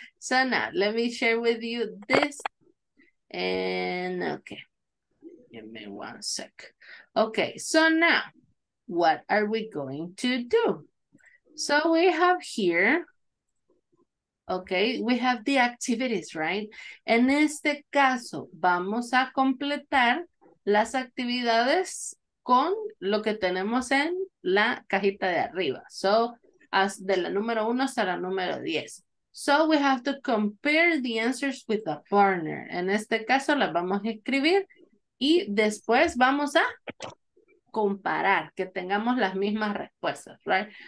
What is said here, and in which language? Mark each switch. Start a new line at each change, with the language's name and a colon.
English: So now let me share with you this. And okay, give me one sec. Okay, so now what are we going to do? So we have here, okay, we have the activities, right?
Spanish: En este caso, vamos a completar las actividades con lo que tenemos en la cajita de arriba. So, as de la número 1 hasta la número 10.
English: So, we have to compare the answers with a partner.
Spanish: En este caso, las vamos a escribir y después vamos a comparar que tengamos las mismas respuestas, right?